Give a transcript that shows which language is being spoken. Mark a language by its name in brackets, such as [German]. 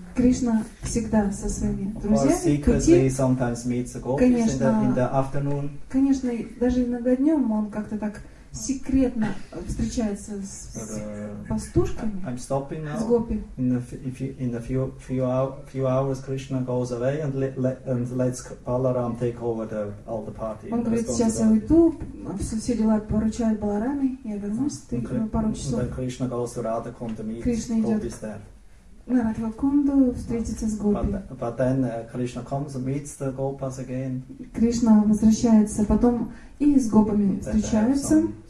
[Russian] Кришна всегда со своими друзьями. [English] Secretly sometimes meets the gopis in the afternoon. [Russian] Конечно, даже иногда днем он как-то так секретно встречается с пастушками, [English] I'm stopping now. [Russian] С гопи. [English] In a few hours, Krishna goes away and lets Balaram take over all the party. [Russian] Он говорит, сейчас я уйду, все дела поручают Балараме, я вернусь, ты пару часов. [English] And then Krishna goes to Radha Kunda, meets Krishna gopis there. [Russian] На Радха Кунду встретиться с гопи. [English] But then Krishna comes and meets the gopas again. [Russian] Кришна возвращается потом и с гопами встречаются.